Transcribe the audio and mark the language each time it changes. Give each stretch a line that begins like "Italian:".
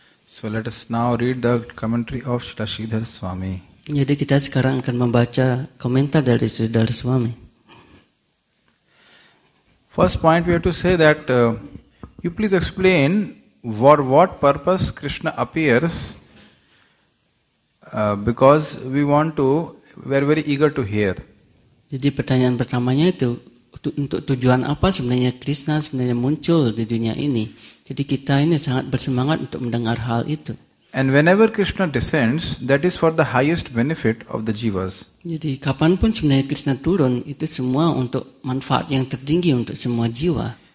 English: So let us now read the commentary of Sri Sridhar Swami.
Indonesian: Jadi kita sekarang akan membaca komentar dari Sri Sridhar Swami.
English: First point we have to say that you please explain for what purpose Krishna appears because we are very eager to hear.
Indonesian: Jadi pertanyaan pertamanya itu untuk tujuan apa sebenarnya Krishna sebenarnya muncul di dunia ini? Jadi kita ini sangat bersemangat untuk mendengar hal itu.
English: And whenever Krishna descends, that is for the highest benefit of the jivas.
Indonesian: Jadi kapanpun sebenarnya Krishna turun, itu semua untuk manfaat yang tertinggi untuk semua jiwa.